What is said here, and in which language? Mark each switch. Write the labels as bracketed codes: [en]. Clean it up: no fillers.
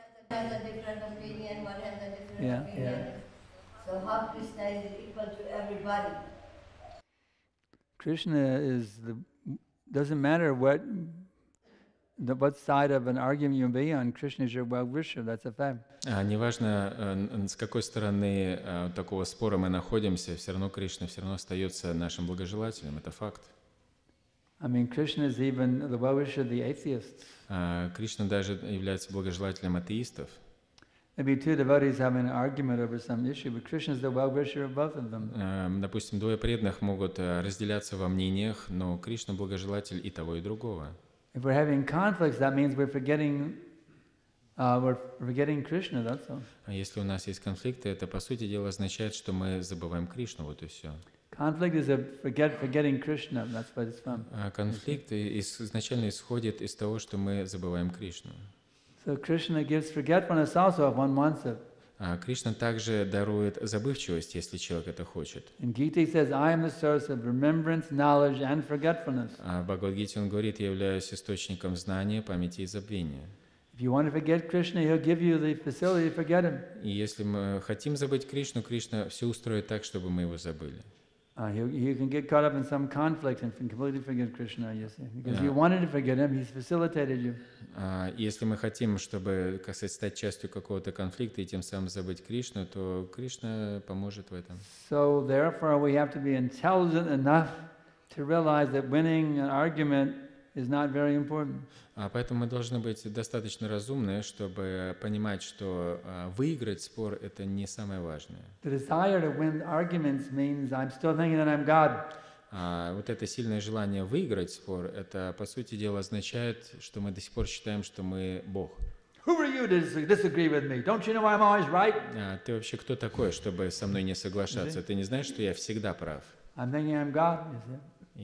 [en] One has a different opinion, one has a different opinion. Yeah. So how Krishna is equal to everybody? Krishna is the, doesn't matter what the, what side of an argument you be on, Krishna is your well-wisher, that's a fact. [ru] Неважно, с какой стороны такого спора мы находимся, все равно Кришна все равно остается нашим благожелателем, это факт. [en] I mean, Krishna is even the well-wisher of the atheists. [ru] Кришна даже является благожелателем атеистов. [en] Maybe two devotees have an argument over some issue, but Krishna is the well-wisher of both of them. [ru] Допустим, двое преданных могут разделяться во мнениях, но Кришна благожелатель и того, и другого. [en] If we're having conflicts, that means we're forgetting Krishna. That's all. [ru] А если у нас есть конфликты, это по сути дела означает, что мы забываем Кришну, вот и все. [en] Conflict is a forgetting Krishna. That's what it's from. [ru] Конфликт изначально исходит из того, что мы забываем Кришну. [en] So Krishna gives forgetfulness also if one wants it. [ru] Кришна также дарует забывчивость, если человек это хочет. [en] And Gita says, I am the source of remembrance, knowledge and forgetfulness. [ru] Бхагавад-гите он говорит, я являюсь источником знания, памяти и забвения. [en] If you want to forget Krishna, he'll give you the facility to forget him. [ru] И если мы хотим забыть Кришну, Кришна все устроит так, чтобы мы его забыли. [en] You can get caught up in some conflict and completely forget Krishna, you see. Because you wanted to forget him, he's facilitated you. [ru] Если мы хотим, чтобы, как сказать, стать частью какого-то конфликта и тем самым забыть Кришну, то Кришна поможет в этом. [en] So therefore we have to be intelligent enough to realize that winning an argument is not very important. [ru] Поэтому мы должны быть достаточно разумны, чтобы понимать, что выиграть спор – это не самое важное. [en] The desire to win arguments means I'm still thinking that I'm God. [ru] Вот это сильное желание выиграть спор – это, по сути дела, означает, что мы до сих пор считаем, что мы Бог. [en] Who are you to disagree with me? Don't you know I'm always right? [ru] Ты вообще кто такой, чтобы со мной не соглашаться? Ты не знаешь, что я всегда прав? [en] I'm thinking I'm God, is it?